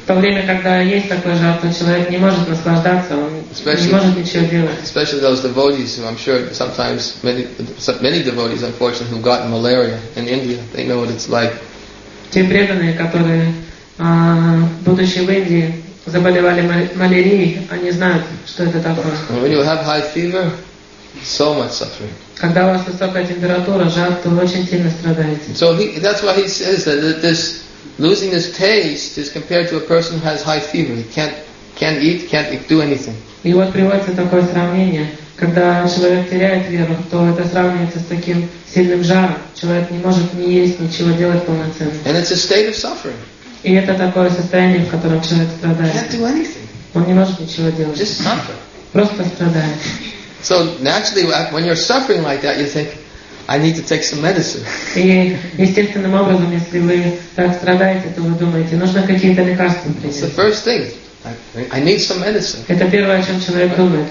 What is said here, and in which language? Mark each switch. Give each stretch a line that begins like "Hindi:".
Russian: В то время, когда есть такой жар, то человек не может наслаждаться, он не может ничего делать.
English: Especially those devotees who I'm sure sometimes many devotees unfortunately who got malaria in India, they know what it's like.
Russian: Те преданные, которые будучи в Индии заболевали малярией, они знают, что это такое.
English: When you have high fever, so much suffering.
Russian: Когда у вас высокая температура, жар, то вы очень сильно страдаете.
English: So that's why he says that this losing this taste is compared to a person who has high fever. He can't eat, can't do anything.
Russian: И вот приводится такое сравнение, когда человек теряет веру, то это сравнивается с таким сильным жаром. Человек не может ни есть, ничего делать полноценно.
English: And it's a state of suffering.
Russian: И это такое состояние, в котором человек страдает.
English: Can't do anything.
Russian: Он не может ничего делать.
English: Just suffer.
Russian: Просто страдает.
English: So naturally, when you're suffering like that, you think, I need to take some medicine.
Russian: Естественным образом, если вы так страдаете, то вы думаете, нужно какие-то лекарства принять.
English: It's the first thing. I need some medicine.
Russian: Это первое, о чем человек думает.